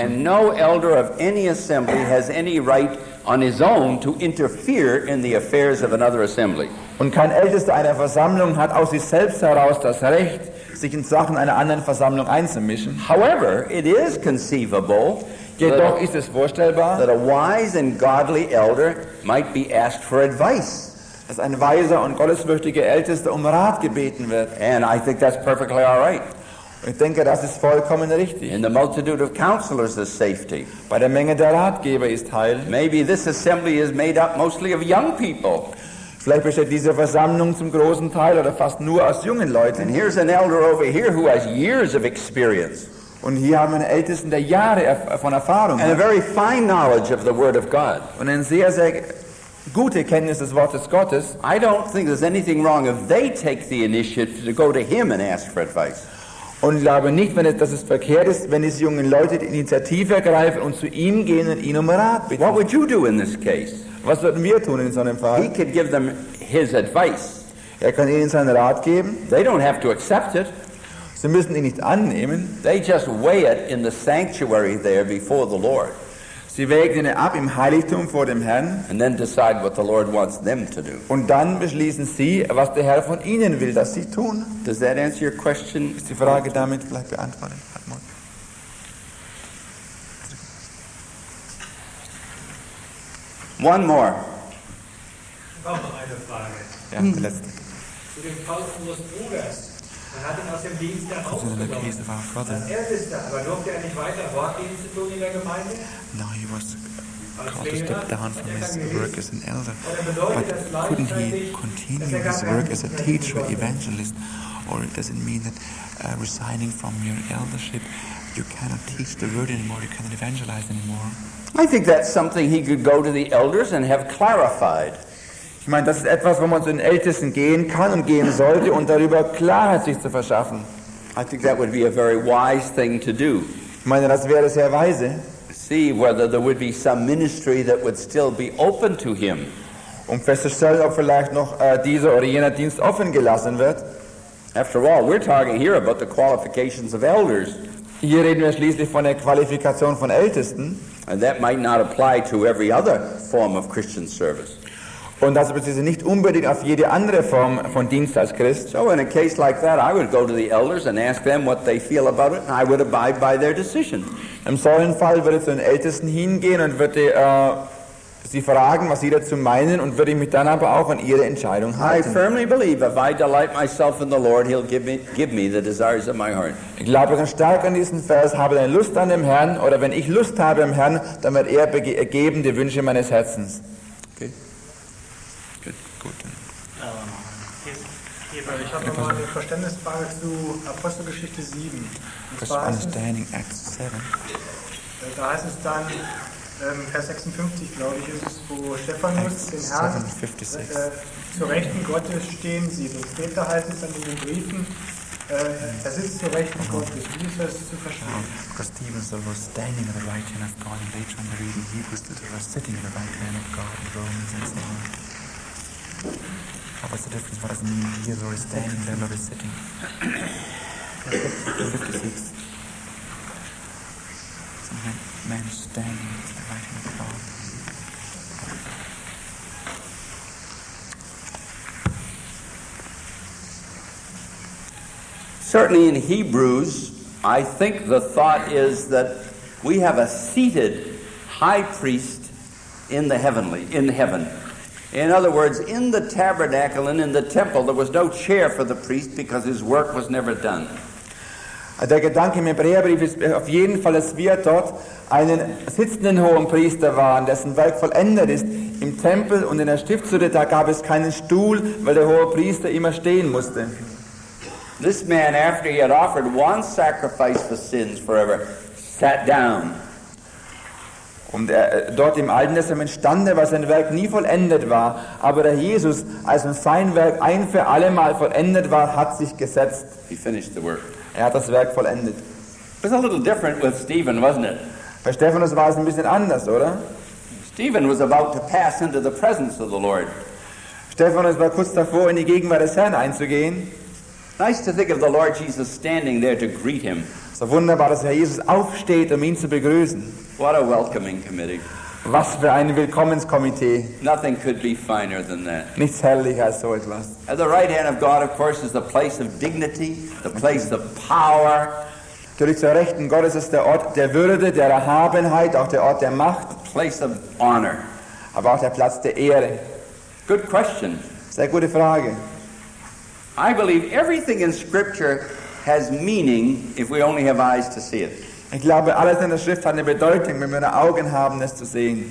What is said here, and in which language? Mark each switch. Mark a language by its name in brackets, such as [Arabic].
[English] And no elder of any assembly has any right on his own to interfere in the affairs of another assembly. [German] Und kein Ältester einer Versammlung hat aus sich selbst heraus das Recht, sich in Sachen einer anderen Versammlung einzumischen. [English] However, it is conceivable. [German] Jedoch ist es vorstellbar, [English] that a wise and godly elder might be asked for advice. [German] Dass ein weiser und gottesfürchtiger Ältester um Rat gebeten wird. [English] And I think that's perfectly all right. [German] Ich denke, das ist vollkommen richtig. [English] In the multitude of counselors is safety. [German] Bei der Menge der Ratgeber ist Heil. [English] Maybe this assembly is made up mostly of young people. [German] Vielleicht besteht diese Versammlung zum großen Teil oder fast nur aus jungen Leuten. [English] And here's an elder over here who has years of experience. [German] Und hier haben wir einen Ältesten, der Jahre von Erfahrung hat. [English] And a very fine knowledge of the Word of God. [German] Und ein sehr, sehr gute Kenntnis des Wortes Gottes. [English] I don't think there's anything wrong if they take the initiative to go to him and ask for advice. [German] Und ich glaube nicht, dass es verkehrt ist, wenn diese jungen Leute die Initiative ergreifen und zu ihm gehen und ihn um Rat bitten. [English] What would you do in this case? [German] Was würden wir tun in so einem Fall? [English] He could give them his advice. [German] Er kann ihnen seinen Rat geben. [English] They don't have to accept it. [German] Sie müssen ihn nicht annehmen. [English] They just weigh it in the sanctuary there before the Lord. [German] Sie wägen ihn ab im Heiligtum vor dem Herrn. [English] And then decide what the Lord wants them to do. [German] Und dann beschließen sie, was der Herr von ihnen will, dass sie tun. [English] Does that answer your question? [German] Ist die Frage damit vielleicht beantwortet? Hartmut. [English] One more. [German] Ich habe noch eine Frage. Ja, die letzte. Zu dem kostenlos Bruders. Man hat ihn aus dem Dienst herausgenommen. Als Ältester, aber durfte er nicht weiter Wortdienste tun in der Gemeinde? [English] No, he was called to step down from his work as an elder. But couldn't he continue his work as a teacher, evangelist? Or does it mean that resigning from your eldership, you cannot teach the word anymore, you cannot evangelize anymore? I think that's something he could go to the elders and have clarified. [German] Ich meine, das ist etwas, wo man zu den Ältesten gehen kann und gehen sollte und darüber Klarheit sich zu verschaffen. [English] I think that would be a very wise thing to do. [German] Ich meine, das wäre sehr weise. [English] See whether there would be some ministry that would still be open to him. [German] Um festzustellen, ob vielleicht noch dieser oder jener Dienst offen gelassen wird. [English] After all, we're talking here about the qualifications of elders. [German] Hier reden wir schließlich von der Qualifikation von Ältesten. [English] And that might not apply to every other form of Christian service. [German] Und das bezieht sich nicht unbedingt auf jede andere Form von Dienst als Christ. [English] So in a case like that, I would go to the elders and ask them what they feel about it, and I would abide by their decision. [German] Im solchen Fall würde ich zu den Ältesten hingehen und würde sie fragen, was sie dazu meinen, und würde mich dann aber auch an ihre Entscheidung halten. [English] I firmly believe, if I delight myself in the Lord, he'll give me the desires of my heart. [German] Ich glaube ganz stark an diesen Vers, habe denn Lust an dem Herrn, oder wenn ich Lust habe am Herrn, dann wird er begeben die Wünsche meines Herzens. Ich habe eine Verständnisfrage zu Apostelgeschichte 7. [English] Understanding Acts 7. [German] Da heißt es dann, Vers 56, glaube ich, ist es, wo Stephanus den Herrn zur Rechten Gottes stehen sieht. Und später heißt es dann in den Briefen, er sitzt zur Rechten Gottes. Wie ist das zu verstehen? [English] Because Stephen was standing at the right hand of God, and later on the reading, he was sitting at the right hand of God in Romans and so on. What's the difference? What does it mean? He is already standing, they're already sitting. 56. Some man is standing at the right hand of God. Certainly in Hebrews, I think the thought is that we have a seated high priest in the heavenly, in heaven. In other words, in the tabernacle and in the temple, there was no chair for the priest because his work was never done. [German] Der Gedanke im Hebräerbrief ist auf jeden Fall, dass wir dort einen sitzenden hohen Priester waren, dessen Werk vollendet ist. Im Tempel und in der Stiftshütte, da gab es keinen Stuhl, weil der hohe Priester immer stehen musste. [English] This man, after he had offered one sacrifice for sins forever, sat down. [German] Und dort im Alten Testament stand er, weil sein Werk nie vollendet war. Aber der Jesus, als sein Werk ein für alle Mal vollendet war, hat sich gesetzt. [English] He finished the work. [German] Er hat das Werk vollendet. [English] It was a little different with Stephen, wasn't it? [German] Bei Stephanus war es ein bisschen anders, oder? [English] Stephen was about to pass into the presence of the Lord. [German] Stephanus war kurz davor, in die Gegenwart des Herrn einzugehen. [English] Nice to think of the Lord Jesus standing there to greet him. [German] So wunderbar, dass Herr Jesus aufsteht, ihn zu begrüßen. [English] What a welcoming committee. [German] Was für ein Willkommenskomitee. [English] Nothing could be finer than that. [German] Nichts herrlicher als so etwas. [English] At the right hand of God, of course, is the place of dignity, the place of power. [German] Natürlich zur Rechten Gottes ist der Ort der Würde, der Erhabenheit, auch der Ort der Macht. [English] A place of honor. [German] Aber auch der Platz der Ehre. [English] Good question. [German] Sehr gute Frage. [English] I believe everything in Scripture has meaning if we only have eyes to see it. [German] Ich glaube, alles in der Schrift hat eine Bedeutung, wenn wir nur Augen haben, es zu sehen.